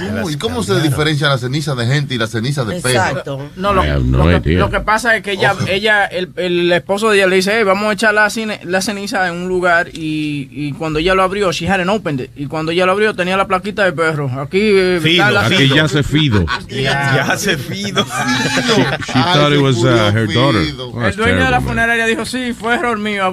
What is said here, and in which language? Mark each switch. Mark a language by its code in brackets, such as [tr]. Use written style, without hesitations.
[es] ¿Y cómo se diferencia la ceniza de gente y la ceniza de perro? Exacto. No, lo que pasa es que el esposo de ella le dice, hey, vamos a echar la ceniza en un lugar y cuando ella lo abrió, [en] she hadn't opened it. [es] Y cuando ella lo abrió, tenía la plaquita de perro. Aquí, fido. Aquí ya se fido. Ya se fido. [en] She thought it was her daughter. [es] El dueño de la funeraria dijo, sí, fue error mío.